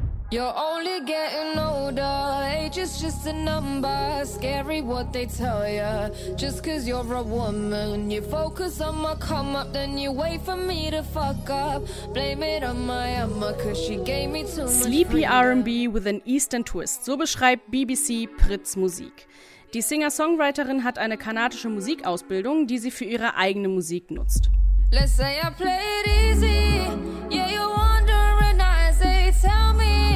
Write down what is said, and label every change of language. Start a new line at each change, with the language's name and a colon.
English: You're only getting older, age is just a number, scary what they tell ya, just cause you're a woman, you focus on my come up, then you wait for me to fuck up, blame it on my mama, cause she gave me too much. Sleepy R&B with an Eastern twist,
German: so beschreibt BBC Pritz Musik. Die Singer-Songwriterin hat eine kanadische Musikausbildung, die sie für ihre eigene Musik nutzt.
English: Let's say I play it easy, yeah you wondering, I say tell me.